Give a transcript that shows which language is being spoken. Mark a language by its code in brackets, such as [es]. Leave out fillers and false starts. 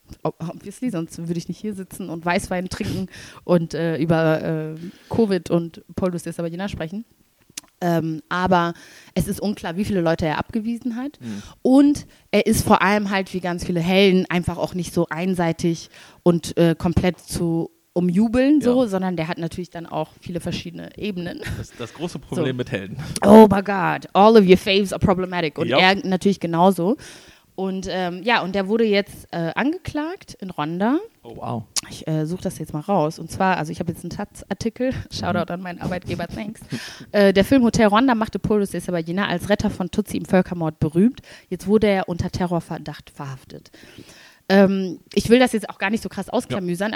[en] obviously, [de] sonst würde ich nicht hier sitzen und Weißwein trinken und über Covid und Poldus des Sabadina sprechen. Aber es ist unklar, wie viele Leute er abgewiesen hat. Mhm. Und er ist vor allem halt wie ganz viele Helden einfach auch nicht so einseitig und komplett zu umjubeln, so, ja. Sondern der hat natürlich dann auch viele verschiedene Ebenen. Das große Problem so. Mit Helden. [en] Oh my God, all of your faves are problematic. [de] Und ja. Er natürlich genauso. Und ja, und der wurde jetzt angeklagt in Rwanda. [en] Oh wow. [de] Ich suche das jetzt mal raus. Und zwar, also ich habe jetzt einen Taz-Artikel, Shoutout an meinen Arbeitgeber, [en] thanks. [de] Der Film Hotel Rwanda machte Paulus Desabagina als Retter von Tutsi im Völkermord berühmt. Jetzt wurde er unter Terrorverdacht verhaftet. Ich will das jetzt auch gar nicht so krass ausklamüsern, ja.